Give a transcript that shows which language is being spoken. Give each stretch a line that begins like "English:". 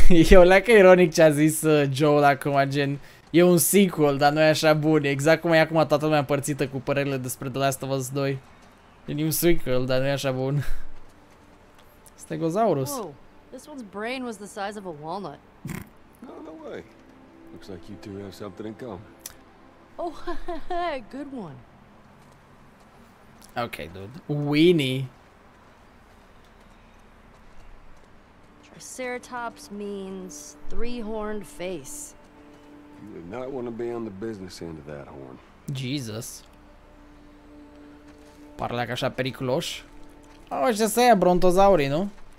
Romanian: E o leacă ironic ce a zis Joel acum, gen, e un sequel, dar nu e așa bun, exact cum e acum toată lumea împărțită cu părerile despre The Last of Us 2. E un sequel, dar nu e așa bun.
English: Stegosaurus. Oh, this one's brain was the size of a walnut. No, no way. Looks like you two have something in common. Oh, good one. Okay, dude. Weenie. Triceratops means three-horned face. You would not want to be on the business end of that horn. Jesus.
Romanian: Pare like așa periculos. Oh, ce să ia brontozauri, nu?